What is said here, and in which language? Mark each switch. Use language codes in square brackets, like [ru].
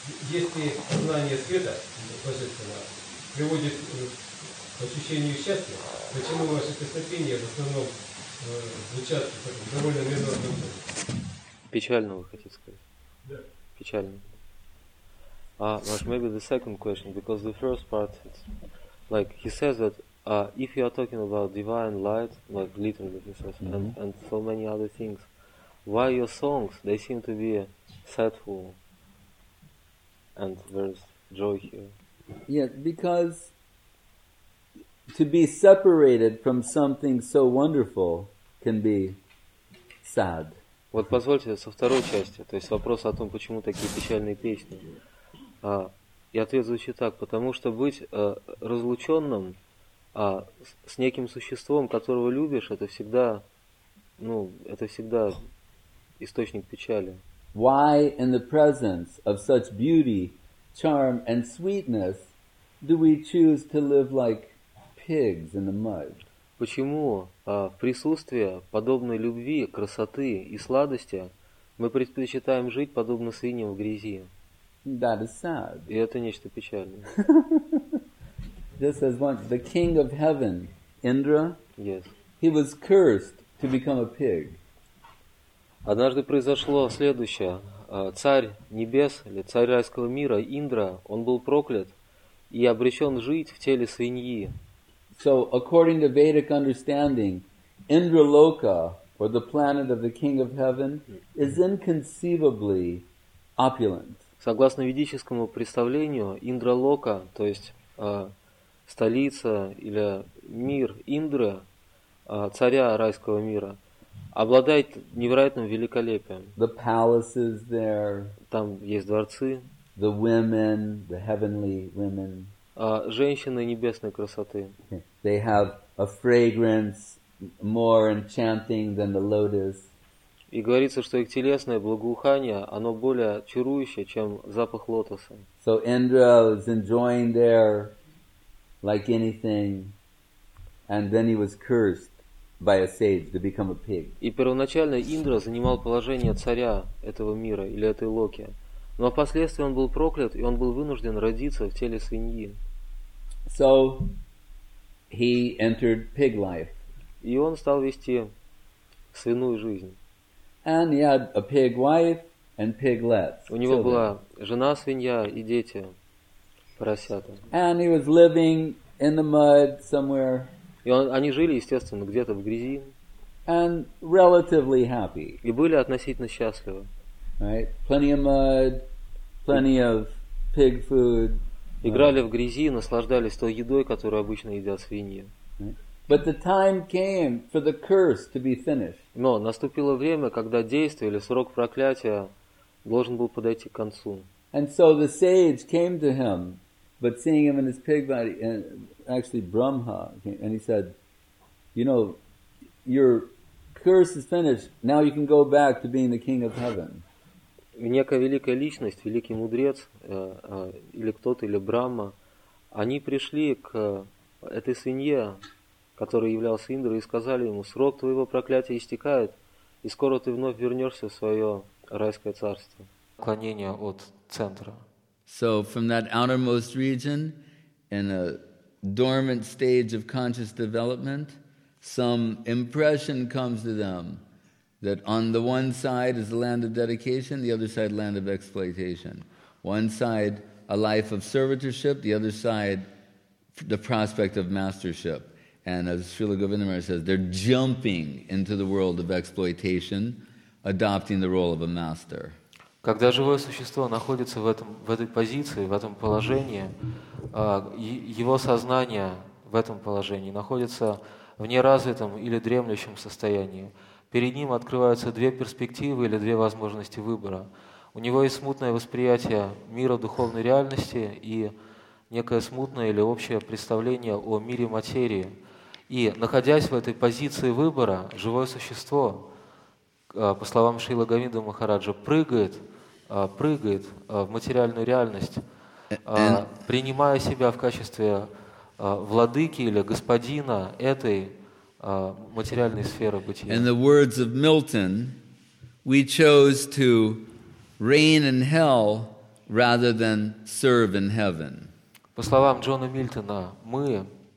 [ru] Если знание света божественного приводит к ощущению счастья, почему ваши песнопения в основном звучат довольно мирно? Печально, вы хотите сказать? Да. Печально. [en] Maybe the second question, because the first part, it's like he says that if you are talking about divine light, like literally, he says, mm-hmm. and so many other things, why your songs, they seem to be sadful and there's joy here? Yeah, because to be separated from something so wonderful can be sad. [ru] Вот позвольте со второй части, то есть вопрос о том, почему такие печальные песни. И ответ звучит так, потому что быть разлученным с неким существом, которого любишь, это всегда, ну, это всегда источник печали. [en] Why in the presence of such beauty, charm and sweetness do we choose to live like pigs in the mud? [ru] Почему в присутствии подобной любви, красоты и сладости мы предпочитаем жить подобно свиньям в грязи? [en] That is sad. [ru] И это нечто печальное. [en] This is one, the king of heaven, Indra. Yes. He was cursed to become a pig. [ru] Однажды произошло следующее. Царь небес или царь райского мира Индра, он был проклят и обречен жить в теле свиньи. [en] So according to Vedic understanding, Indra Loka, or the planet of the king of heaven, is inconceivably opulent. [ru] Согласно ведическому представлению, Индра-лока, то есть столица или мир Индры, царя райского мира, обладает невероятным великолепием. [en] The palaces there, [ru] там есть дворцы, [en] the women, the heavenly women, [ru] женщины небесной красоты. [en] They have a fragrance more enchanting than the lotus. [ru] И говорится, что их телесное благоухание, оно более чарующее, чем запах лотоса. [en] So Indra was enjoying there like anything, and then he was cursed by a sage to become a pig. [ru] И первоначально Индра занимал положение царя этого мира или этой Локи, но впоследствии он был проклят и он был вынужден родиться в теле свиньи. [en] So he entered pig life. [ru] И он стал вести свиную жизнь. [en] And he had a pig wife and piglets. [ru] У него была жена свинья и дети поросята. [en] And he was living in the mud somewhere. [ru] И они жили, естественно, где-то в грязи. [en] And relatively happy. [ru] И были относительно счастливы. [en] Right? Plenty of mud, plenty of pig food. [ru] Играли в грязи, наслаждались той едой, которую обычно едят свиньи. [en] But the time came for the curse to be finished. [ru] Но наступило время, когда действие или срок проклятия должен был подойти к концу. [en] And so the sage came to him, but seeing him in his pig body, and actually Brahma, and he said, "You know, your curse is finished. Now you can go back to being the king of heaven." [ru] Некая великая личность, великий мудрец, или кто-то, или Брахма, они пришли к этой свинье, который являлся Индрой, и сказали ему, срок твоего проклятия истекает, и скоро ты вновь вернешься в свое райское царство. Отклонение от центра. [en] So from that outermost region, in a dormant stage of conscious development, some impression comes to them that on the one side is the land of dedication, the other side land of exploitation. One side a life of servitorship, the other side the prospect of mastership. And as Srila Govindamara says, they're jumping into the world of exploitation, adopting the role of a master. [ru] Когда живое существо находится в этой позиции, в этом положении, его сознание в этом положении находится в неразвитом или дремлющем состоянии. Перед ним открываются две перспективы или две возможности выбора. У него есть смутное восприятие мира духовной реальности и некое смутное или общее представление о мире материи. И, находясь в этой позиции выбора, живое существо, по словам Шрилы Говинды Махараджа, прыгает в материальную реальность, принимая себя в качестве владыки или господина этой материальной сферы бытия. [en] In the words of Milton, we chose to reign in hell rather than serve in heaven. [ru] По словам Джона Мильтона, мы